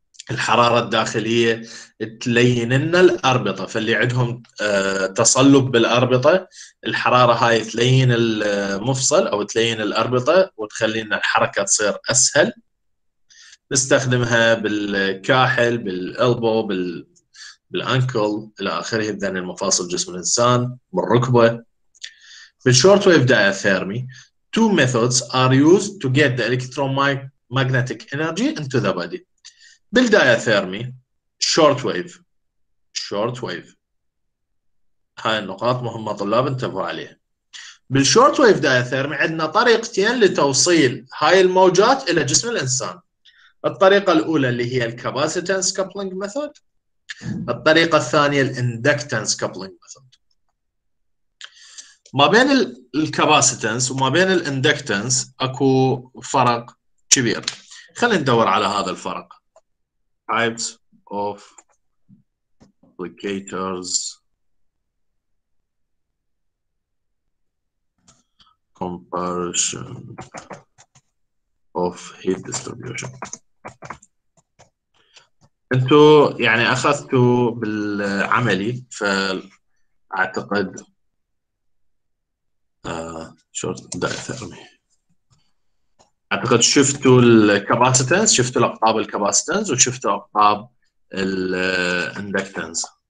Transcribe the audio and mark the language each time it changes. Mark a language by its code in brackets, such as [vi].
[ar] الحرارة الداخلية تلين لنا الأربطة، فاللي عندهم تصلب بالأربطة الحرارة هاي تلين المفصل أو تلين الأربطة وتخلينا الحركة تصير أسهل. نستخدمها بالكاحل بالألبو بالأنكل إلى آخره، بذن المفاصل جسم الإنسان بالركبة. بالشورت ويف دايثيرمي [en] two methods are used to get the electromagnetic energy into the body. [ar] بالدايثيرمي شورت ويف هاي النقاط مهمة طلاب انتبهوا عليها. بالشورت ويف دايثيرمي عندنا طريقتين لتوصيل هاي الموجات إلى جسم الإنسان. الطريقة الأولى اللي هي الكاباسيتنس كابلينج ميثود، الطريقة الثانية الاندكتنس كابلينج ميثود. ما بين الكاباسيتنس وما بين الاندكتنس اكو فرق كبير، خلينا ندور على هذا الفرق. [en] Types of applicators comparison of heat distribution. [ar] انتو يعني اخذتوا بالعملي، فالمفروض أعتقد شورت دائرة. أعتقد شفتوا الكاباسيتنس، شفتوا الأقطاب الكاباسيتنس، وشفتوا أقطاب الاندكتنس.